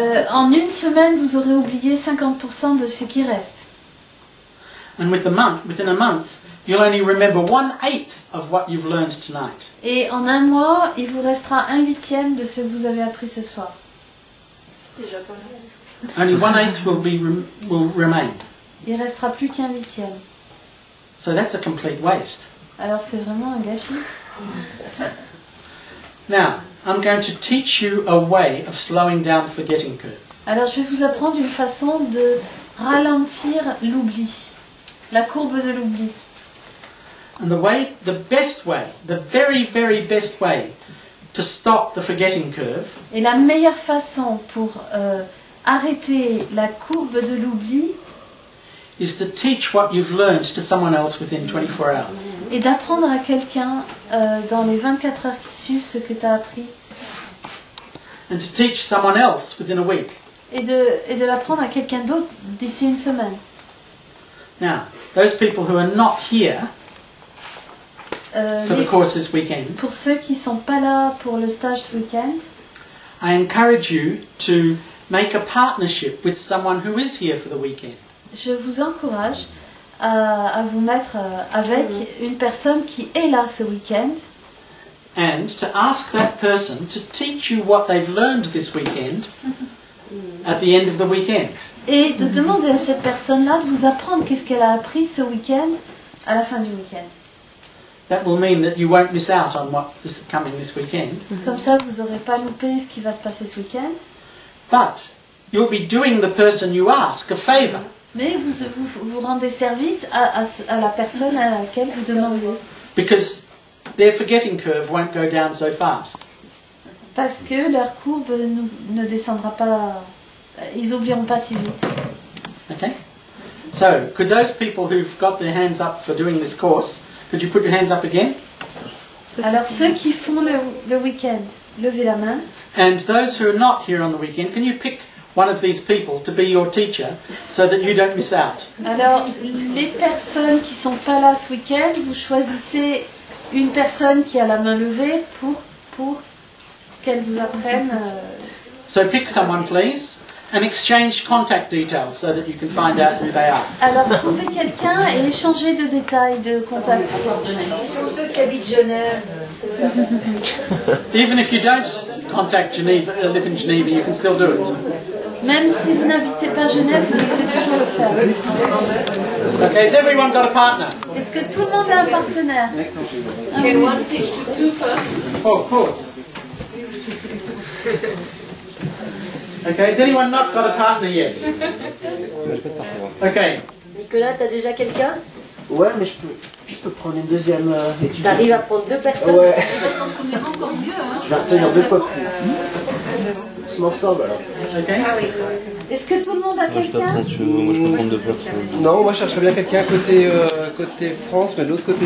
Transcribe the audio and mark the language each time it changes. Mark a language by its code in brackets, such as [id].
[fr] En une semaine, vous aurez oublié 50% de ce qui reste. [en] And within a month, you'll only remember 1/8 of what you've learned tonight. [fr] Et en un mois, il vous restera 1/8 de ce que vous avez appris ce soir. C'est déjà pas [en] mal. Only 1/8 will remain. [fr] Il restera plus qu'un huitième. [en] So that's a complete waste. [fr] Alors c'est vraiment un gâchis. [en] Now, I'm going to teach you a way of slowing down the forgetting curve. [fr] Alors je vais vous apprendre une façon de ralentir l'oubli. La courbe de l'oubli. [en] And the very, very best way to stop the forgetting curve. [fr] Et la meilleure façon pour arrêter la courbe de l'oubli [en] is to teach what you've learned to someone else within 24 hours. [fr] Et d'apprendre à quelqu'un dans les 24 heures qui suivent ce que tu as appris. [en] And to teach someone else within a week. [fr] Et de l'apprendre à quelqu'un d'autre d'ici une semaine. [en] Now, those people who are not here for the course this weekend. [fr] Pour ceux qui sont pas là pour le stage ce weekend. [en] I encourage you to make a partnership with someone who is here for the weekend. [fr] Je vous encourage à vous mettre avec une personne qui est là ce weekend. [en] And to ask that person to teach you what they've learned this weekend at the end of the weekend. [fr] Et de demander à cette personne-là de vous apprendre qu'est-ce qu'elle a appris ce weekend à la fin du weekend. [en] That will mean that you won't miss out on what is coming this weekend. [fr] Comme ça, vous n'aurez pas loupé ce qui va se passer ce week-end. [en] But you'll be doing the person you ask a favor. [fr] Mais vous rendez service à la personne à laquelle vous demandez. [en] Because their forgetting curve won't go down so fast. [fr] Parce que leur courbe ne descendra pas. Ils oublieront pas si vite. [en] Okay. So, could those people who've got their hands up for doing this course? Could you put your hands up again? [fr] Alors ceux qui font le week-end, levez la main. [en] And those who are not here on the weekend, can you pick one of these people to be your teacher so that you don't miss out? [fr] Alors les personnes qui sont pas là ce week-end, vous choisissez une personne qui a la main levée pour qu'elle vous apprenne. [en] So pick someone, please. and exchange contact details so that you can find out who they are. [fr] Alors trouver quelqu'un et échanger de détails de contact. Ils sont ceux qui habitent Genève. [en] Even if you don't contact Geneva, live in Geneva, you can still do it. [fr] Même si vous n'habitez pas Genève, vous pouvez toujours le faire. [en] Okay, has everyone got a partner? [fr] Est-ce que tout le monde a un partenaire? [en] Can one teach to two first? Oh, of course. Okay, has anyone not got a partner yet? Okay. [fr] Nicolas, t'as déjà quelqu'un? Ouais, mais je peux prendre une deuxième étudiante. T'arrives à prendre deux personnes? Ouais. Je vais retenir deux fois plus. Ensemble Ah oui. Est-ce que tout le monde a quelqu'un? Non, moi je chercherais bien quelqu'un côté France, mais de l'autre côté.